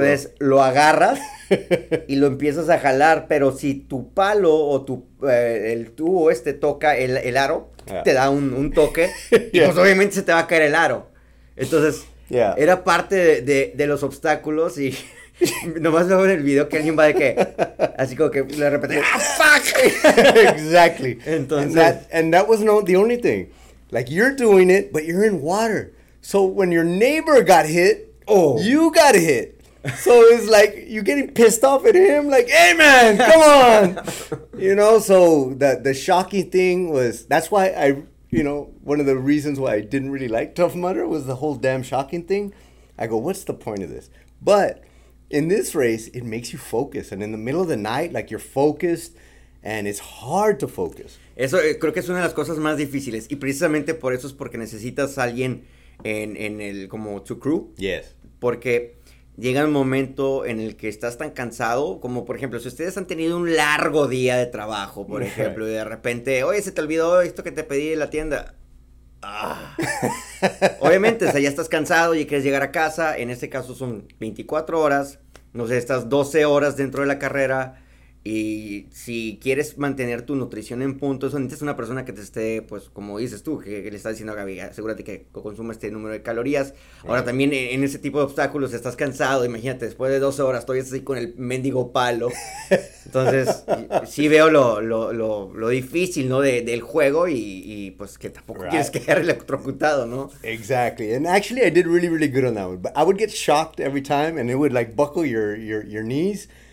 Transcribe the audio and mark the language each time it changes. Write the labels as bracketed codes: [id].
[es] entonces, lo agarras y lo empiezas a jalar, pero si tu palo o tu, el tubo este toca el aro, te da un toque, y pues obviamente se te va a caer el aro. Entonces, era parte de los obstáculos y nomás veo en el video que alguien va de que, así como que le repite, ¡ah, fuck! [en] Exactly. [es] Entonces. [en] And that was not the only thing. Like, you're doing it, but you're in water. So when your neighbor got hit, you got hit. So it's like you're getting pissed off at him. Like, hey, man, come on. You know, so the shocking thing was, that's why I, you know, one of the reasons why I didn't really like Tough Mudder was the whole damn shocking thing. I go, what's the point of this? But in this race, it makes you focus. And in the middle of the night, like, you're focused. And it's hard to focus. [es] Eso creo que es una de las cosas más difíciles. Y precisamente por eso es porque necesitas a alguien en el como [en] to crew. Yes. [es] Porque llega un momento en el que estás tan cansado. Como por ejemplo, si ustedes han tenido un largo día de trabajo, por ejemplo. Y de repente, oye, se te olvidó esto que te pedí en la tienda. Ah. Obviamente, o sea, ya estás cansado y quieres llegar a casa. En este caso son 24 horas. No sé, estás 12 horas dentro de la carrera. Y si quieres mantener tu nutrición en punto, eso necesitas una persona que te esté, pues, como dices tú, que le está diciendo a Gaby, asegúrate que consuma este número de calorías. Ahora, también en ese tipo de obstáculos estás cansado, imagínate, después de 12 horas todavía estás ahí con el mendigo palo. Entonces, sí veo lo difícil, ¿no?, del juego y pues, que tampoco quieres quedar electrocutado, ¿no? [en] Exactly. And actually, I did really, really good on that one. But I would get shocked every time and it would, like, buckle your knees.